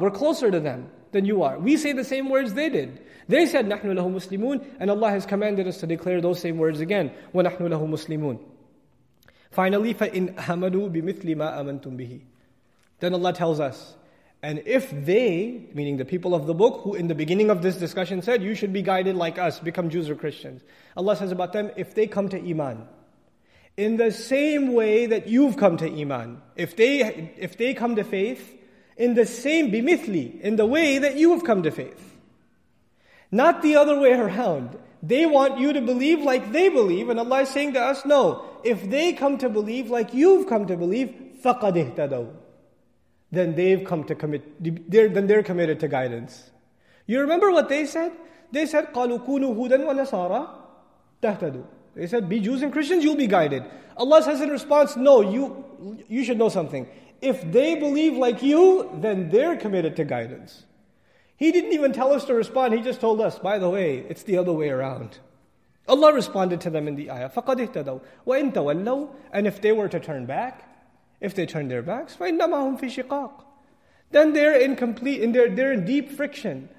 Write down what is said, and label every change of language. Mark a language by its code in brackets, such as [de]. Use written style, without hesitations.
[en] We're closer to them than you are. We say the same words they did. They said, [ar] نَحْنُ لَهُ مُسْلِمُونَ, [en] and Allah has commanded us to declare those same words again. [ar] وَنَحْنُ لَهُ مُسْلِمُونَ. [en] Finally, [ar] فَإِنْ أَمَنُوا بِمِثْلِ مَا أَمَنْتُمْ بِهِ. [en] Then Allah tells us, and if they, meaning the people of the book, who in the beginning of this discussion said, you should be guided like us, become Jews or Christians. Allah says about them, if they come to Iman, in the same way that you've come to Iman, if they come to faith, in the same, bimithli, in the way that you have come to faith. Not the other way around. They want you to believe like they believe, and Allah is saying to us, no, if they come to believe like you've come to believe, [ar] فَقَدْ اِهْتَدَوْا. [en] Then they've come to commit, they're committed to guidance. You remember what they said? They said, [ar] قَالُوا كُونُوا هُودًا وَنَصَارًا تَهْتَدُوا. [en] They said, be Jews and Christians, you'll be guided. Allah says in response, no, you should know something. If they believe like you, then they're committed to guidance. He didn't even tell us to respond, he just told us, by the way, it's the other way around. Allah responded to them in the ayah, [ar] فَقَدْ اِهْتَدَوْا وَإِنْ تَوَلَّوْا [en] And if they were to turn back, if they turn their backs, [ar] فَإِنَّمَا هُمْ فِي شِقَاقٍ [en] Then they're incomplete, and they're in deep friction.